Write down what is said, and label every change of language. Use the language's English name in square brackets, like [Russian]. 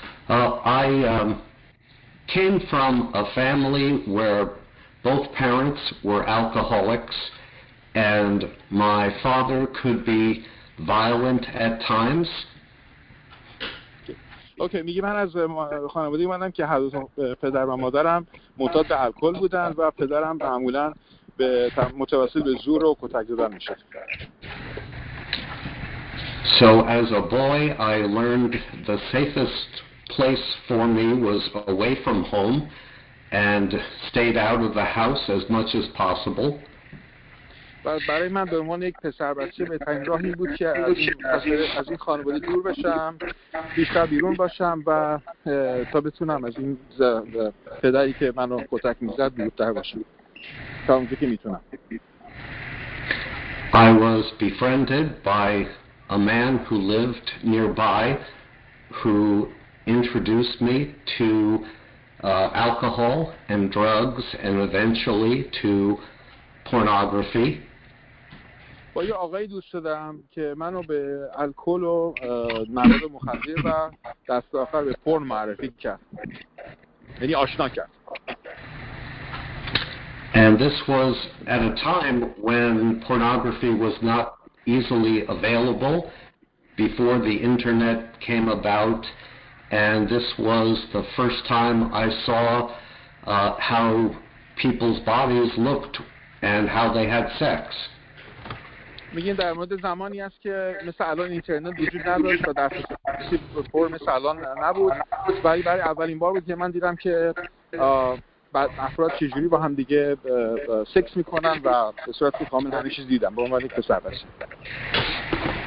[English] I came from a family where both parents were alcoholics, and my father could be violent at times. [Persian] اوکی میگه من از خانواده اومدم که هر دو پدر و مادرم معتاد به الکل بودن و پدرم معمولا به متوسل به زور و کتک زدن میشد. [English] So as a boy I learned the safest place for me was away from home and stayed out of the house as much as possible. [Persian] برای من به عنوان یک پسر بچه بهترین راه این بود که از این خانواده دور بشم، بیشتر بیرون باشم و تا بتونم از این پدری که من رو کتک میزد دورتر باشم تا اونجا که میتونم. [English] I was befriended by a man who lived nearby who introduced me to alcohol and drugs and eventually to pornography. [Persian] با یه آقای دوست شدم که منو به الکل و مواد مخدر و دست آخر به پورن معرفی کرد. یعنی آشنا کرد. [English] And this was at a time when pornography was not easily available before the internet came about, and this was the first time I saw how people's bodies looked and how they had sex. [Persian] میگین در مورد زمانی است که مثل الان اینترنت وجود نداشت و دسترسی به پورن مثل الان نبود، ولی برای اولین بار بود که من دیدم که افراد چجوری با هم دیگه سکس میکنن و به صورت کامل همه چیز دیدم به عنوان یک پسر بچه.